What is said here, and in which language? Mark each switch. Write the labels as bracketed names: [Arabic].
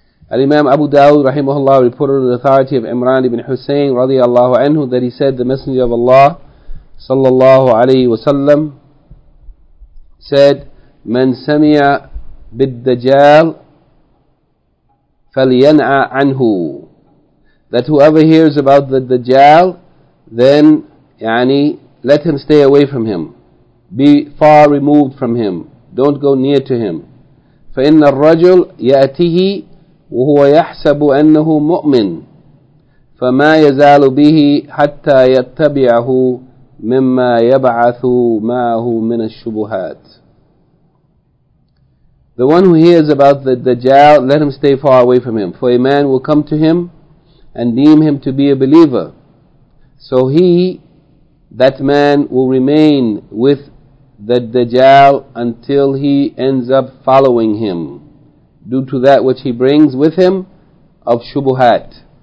[English] Al-Imam Abu Dawud rahimahullah reported the authority of Imran ibn Hussein radiyallahu anhu that he said, the Messenger of Allah sallallahu alayhi wa sallam said, [Arabic] من سمع بالدجال فلينع عنه, [English] that whoever hears about the Dajjal, then يعني, let him stay away from him, be far removed from him, don't go near to him. [Arabic] فإن الرجل يأتيه وهو يحسب أنه مؤمن فما يزال به حتى يتبعه مما يبعث معه من الشبهات. [English] The one who hears about the Dajjal, let him stay far away from him. For a man will come to him and deem him to be a believer. So he, that man, will remain with the Dajjal until he ends up following him, due to that which he brings with him of shubuhat.